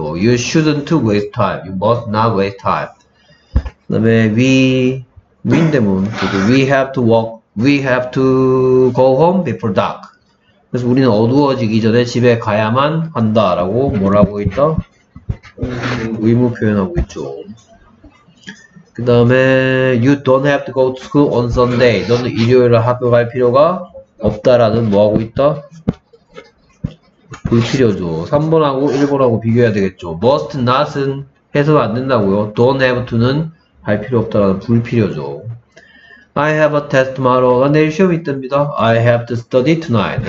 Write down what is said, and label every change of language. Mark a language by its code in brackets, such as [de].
[en] You shouldn't waste time. You must not waste time. [ko] 그 다음에 [en] we인데 뭐. We have to walk. We have to go home before dark. [ko] 그래서 우리는 어두워지기 전에 집에 가야만 한다라고 뭘 하고 있다? 의무 표현하고 있죠. 그 다음에 [en] You don't have to go to school on Sunday. [ko] 너는 일요일에 학교 갈 필요가 없다라는 뭐하고 있다? 불필요죠. 3번하고 1번하고 비교해야 되겠죠. Must not은 해서 안 된다고요. [en] Don't have to [ko] 는 할 필요 없다라는 불필요죠. [en] I have a test tomorrow. [ko] 내일 시험이 뜹니다. [en] I have to study tonight.